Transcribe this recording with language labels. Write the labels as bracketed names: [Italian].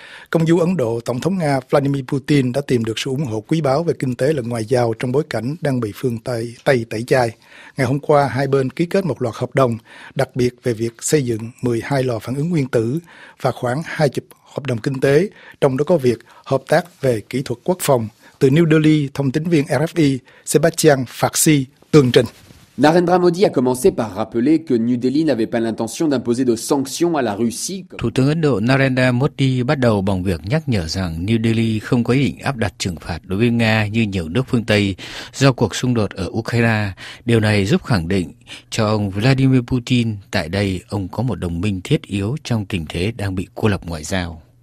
[Vietnamese] Công du Ấn Độ, Tổng thống Nga Vladimir Putin đã tìm được sự ủng hộ quý báu về kinh tế lẫn ngoại giao trong bối cảnh đang bị phương Tây tẩy chay. Ngày hôm qua, hai bên ký kết một loạt hợp đồng, đặc biệt về việc xây dựng 12 lò phản ứng nguyên tử và khoảng 20 hợp đồng kinh tế, trong đó có việc hợp tác về kỹ thuật quốc phòng. Từ New Delhi, thông tín viên RFI Sebastian Farsi tường trình. [French] Narendra Modi a commencé par rappeler que New Delhi n'avait pas l'intention d'imposer de sanctions à la Russie. [Vietnamese] Thủ tướng Ấn Độ Narendra Modi bắt đầu bằng việc nhắc nhở rằng New Delhi không có ý định áp đặt trừng phạt đối với Nga như nhiều nước phương Tây do cuộc xung đột ở Ukraine. Điều này giúp khẳng định cho ông Vladimir Putin tại đây ông có một đồng minh thiết yếu trong tình thế đang bị cô lập ngoại giao.